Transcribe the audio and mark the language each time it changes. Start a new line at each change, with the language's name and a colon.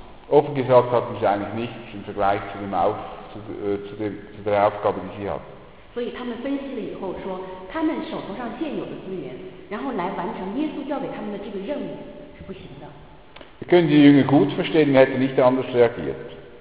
German: Offen gesagt hatten sie eigentlich nichts im Vergleich zu, der Aufgabe, die sie hatten.
Chinese: 所以他们分析了以后说，他们手头上现有的资源，然后来完成耶稣交给他们的这个任务是不行的。
German: Wir können die Jünger gut verstehen, wir hätten nicht anders reagiert.